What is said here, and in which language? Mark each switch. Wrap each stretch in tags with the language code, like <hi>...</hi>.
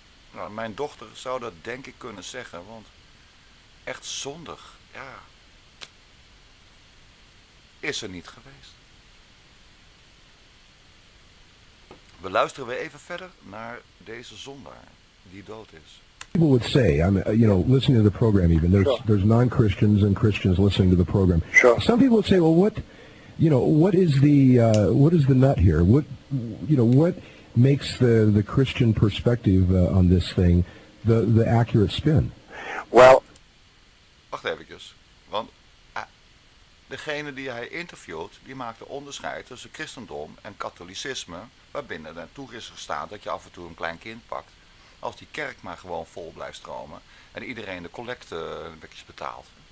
<nl>Nou, mijn dochter zou dat denk ik kunnen zeggen, want echt zondig, ja, is er niet geweest. We luisteren weer even verder naar deze zondaar die dood is.</nl> <en>People would say, I'm, you know, listening to the program even, there's non-Christians and Christians listening to the program. Sure. Some people would say, well, what, you know, what is the nut here? What, you know, what makes the Christian perspective on this thing the accurate spin? Well,</en> <nl>wacht eventjes, want degene die hij interviewt, die maakt de onderscheid tussen christendom en katholicisme, waarbinnen er toe is gestaan dat je af en toe een klein kind pakt, als die kerk maar gewoon vol blijft stromen en iedereen de collecte een beetje betaalt.</nl>